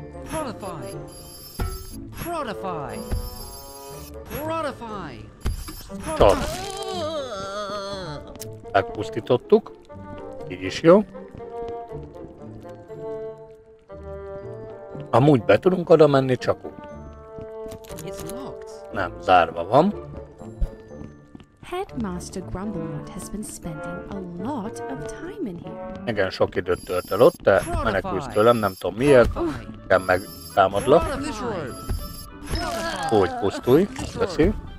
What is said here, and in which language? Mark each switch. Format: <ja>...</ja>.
<hu>Prodify! Prodify! Prodify! Prodify! Megpusztítottuk. Így is jó. Amúgy be tudunk oda menni, csak úgy. Nem, zárva van.</hu> <en>Headmaster Grumblemort has been spending a lot of time in here.</en> <hu>Igen, sok időt tölt el ott, de menekülsz tőlem, nem tudom miért. Nem megtámadlak. Úgy, pusztulj, köszi.</hu>